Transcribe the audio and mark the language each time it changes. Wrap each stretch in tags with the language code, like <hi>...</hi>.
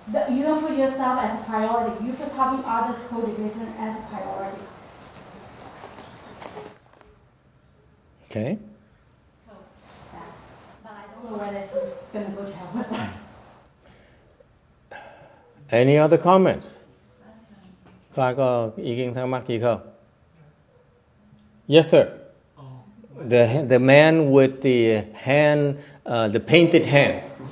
<en>You don't put yourself as a priority. You put helping others cultivation as a priority. Okay. So, yeah. But I don't know whether he's going to go to hell. Any other comments?</en> <vi>Có ai có ý kiến thắc mắc gì không?</vi> <en>Yes, sir. The man with the hand, the painted hand.</en>